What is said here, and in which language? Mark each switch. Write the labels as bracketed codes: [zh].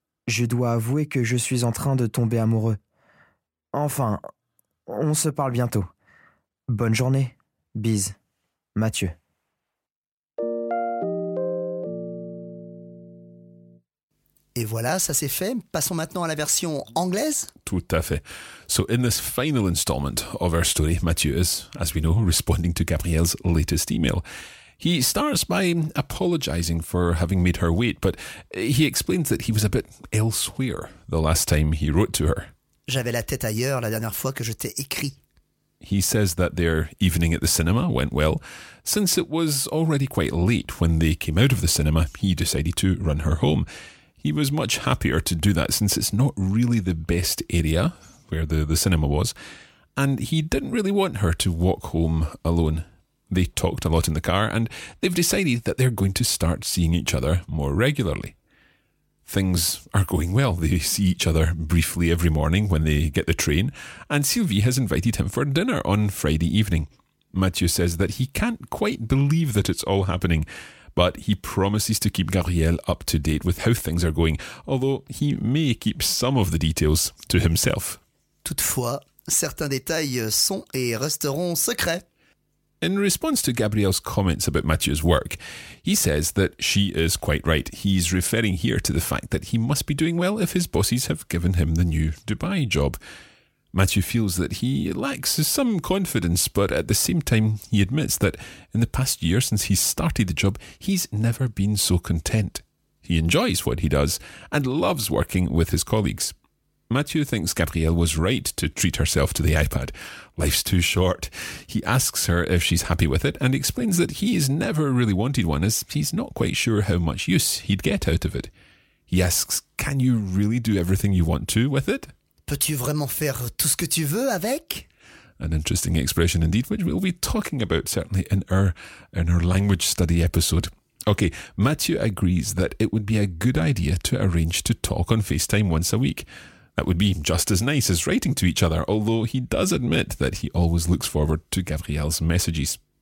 [fr] Je dois avouer que je suis en train de tomber amoureux. Enfin, on se parle bientôt. Bonne journée. Bise. Mathieu. Et voilà, ça c'est fait. Passons maintenant à la version anglaise. Tout à fait. [en] So in this final installment of our story, Mathieu is, as we know, responding to Gabrielle's latest email. He starts by apologizing for having made her wait, but he explains that he was a bit elsewhere the last time he wrote to her. [fr] J'avais la tête ailleurs la dernière fois que je t'ai écrit. [en] He says that their evening at the cinema went well. Since it was already quite late when they came out of the cinema, he decided to run her home. He was much happier to do that since it's not really the best area where the cinema was, and he didn't really want her to walk home alone. They talked a lot in the car, and they've decided that they're going to start seeing each other more regularly. Things are going well. They see each other briefly every morning when they get the train, and Sylvie has invited him for dinner on Friday evening. Mathieu says that he can't quite believe that it's all happening, but he promises to keep Gabriel up to date with how things are going, although he may keep some of the details to himself. [fr] Toutefois, certains détails sont et resteront secrets. [en] In response to Gabrielle's comments about Mathieu's work, he says that she is quite right. He's referring here to the fact that he must be doing well if his bosses have given him the new Dubai job. Mathieu feels that he lacks some confidence, but at the same time he admits that in the past year since he started the job, he's never been so content. He enjoys what he does and loves working with his colleagues. Mathieu thinks Gabrielle was right to treat herself to the iPad. Life's too short. He asks her if she's happy with it and explains that he's never really wanted one as he's not quite sure how much use he'd get out of it. He asks, can you really do everything you want to with it? [fr] Peux-tu vraiment faire tout ce que tu veux avec? [en] An interesting expression indeed, which we'll be talking about certainly in our language study episode. Okay, Mathieu agrees that it would be a good idea to arrange to talk on FaceTime once a week. That would be just as nice as writing to each other, although he does admit that he always looks forward to Gabrielle's messages.